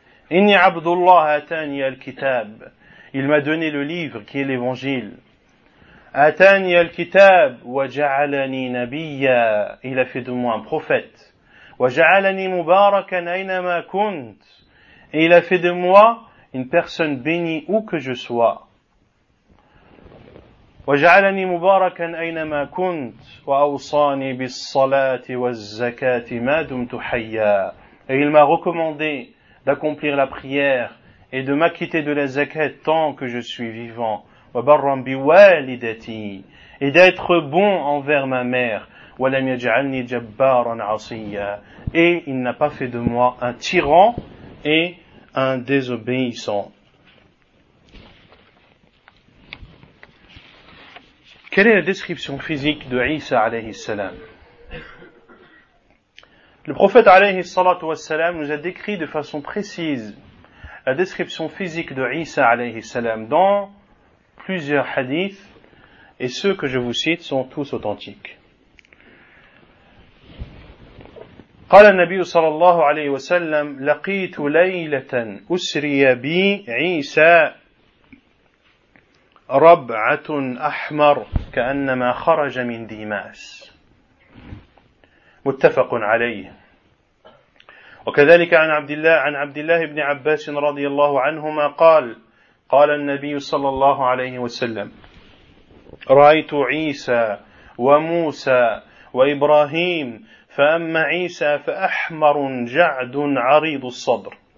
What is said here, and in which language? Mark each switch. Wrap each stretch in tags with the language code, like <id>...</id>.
<ar>Inni Abdullah atani al-kitab.</ar> <fr>Il m'a donné le livre qui est l'évangile.</fr> <ar>Atani al-kitab wa ja'alani nabiyya.</ar> <fr>Il a fait de moi un prophète.</fr> <ar>Wa ja'alani mubarakan aynama kunt.</ar> <fr>Et il a fait de moi une personne bénie où que je sois.</fr> <ar>وجعلني مباركا اينما كنت واوصاني بالصلاه والزكاه ما دمت حيا.</ar> <fr>Et il m'a recommandé d'accomplir la prière et de m'acquitter de la zakat tant que je suis vivant.</fr> <ar>وبرا بوالدتي.</ar> <fr>Et d'être bon envers ma mère.</fr> <ar>ولم يجعلني جبارا عصيا.</ar> <fr>Et il n'a pas fait de moi un tyran et un désobéissant. Quelle est la description physique de Isa alayhi salam? Le prophète alayhi salatu wassalam nous a décrit de façon précise la description physique de Isa alayhi salam dans plusieurs hadiths, et ceux que je vous cite sont tous authentiques.</fr> <ar>قال النبي صلى الله عليه وسلم لقيت ليلة أسري بي عيسى ربعة أحمر كأنما خرج من ديماس متفق عليه وكذلك عن عبد الله بن عباس رضي الله عنهما قال النبي صلى الله عليه وسلم رأيت عيسى وموسى وإبراهيم فأما عيسى فأحمر جعد عريض الصدر</ar>